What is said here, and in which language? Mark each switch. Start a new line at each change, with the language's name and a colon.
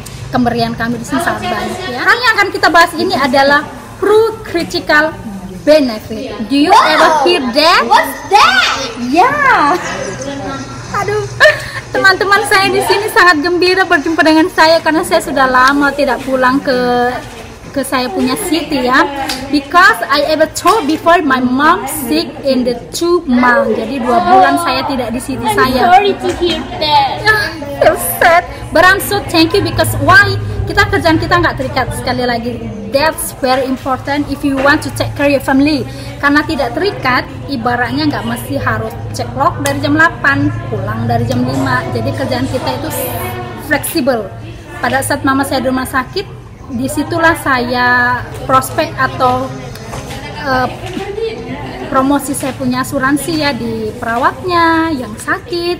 Indonesian: Kemerian kami di sini sangat banyak ya. Hal yang akan kita bahas ini adalah critical benefit.
English: Do you ever hear that? What's that? Yeah. Aduh.
Indonesian: Teman-teman saya di sini sangat gembira berjumpa dengan saya karena saya sudah lama tidak pulang ke saya punya city ya.
English: Because I ever told before my mom sick in the 2 months.
Indonesian: Jadi 2 bulan saya tidak di city saya.
English: I'm sorry to hear that. Yeah, so sad. But I'm so thank you because why?
Indonesian: Kita kerjaan kita nggak terikat, sekali lagi.
English: That's very important if you want to take care of your family.
Indonesian: Karena tidak terikat, ibaratnya nggak mesti harus check clock dari jam 8, pulang dari jam 5. Jadi kerjaan kita itu fleksibel. Pada saat mama saya di rumah sakit, disitulah saya prospek atau promosi saya punya asuransi ya, di perawatnya yang sakit.